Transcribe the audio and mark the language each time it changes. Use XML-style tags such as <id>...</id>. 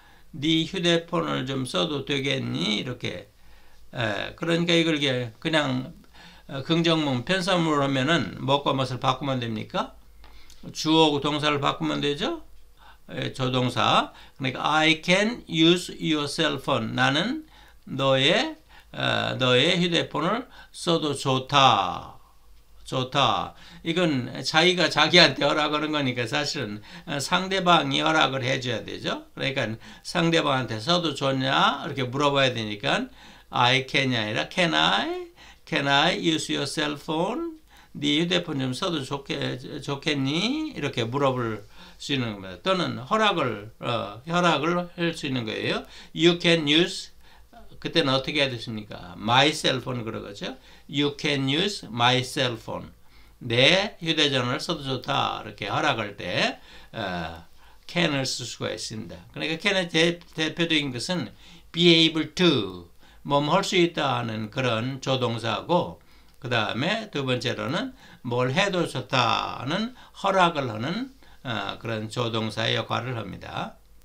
<ko>네 휴대폰을 좀 써도 되겠니? 이렇게. 그러니까 이걸 그냥 긍정문, 편성문을 하면은 뭐과 뭣을 바꾸면 됩니까? 주어하고 동사를 바꾸면 되죠? 조동사. 그러니까</ko> <en>I can use your cell phone.</en> <ko>나는 너의 휴대폰을 써도 좋다. 좋다. 이건 자기가 자기한테 허락하는 거니까 사실은 상대방이 허락을 해줘야 되죠. 그러니까 상대방한테 써도 좋냐? 이렇게 물어봐야 되니까</ko> <en>I can이 아니라 Can I use your cell phone?</en> <ko>네 휴대폰 좀 써도 좋겠니? 이렇게 물어볼 수 있는 겁니다. 또는 허락을 할수 있는 거예요. You can use 그때는 어떻게 해야 되십니까?</ko> <en>My cell phone</en> <ko>그런 거죠.</ko> <en>You can use my cell phone.</en> <ko>내 휴대전화를 써도 좋다. 이렇게 허락할 때 can을 쓸 수가 있습니다. 그러니까 can의 대표적인 것은 be able to 뭐할수 있다는 그런 조동사고 그 다음에 두 번째로는 뭘 해도 좋다는 허락을 하는 그런 조동사의 역할을 합니다.</ko>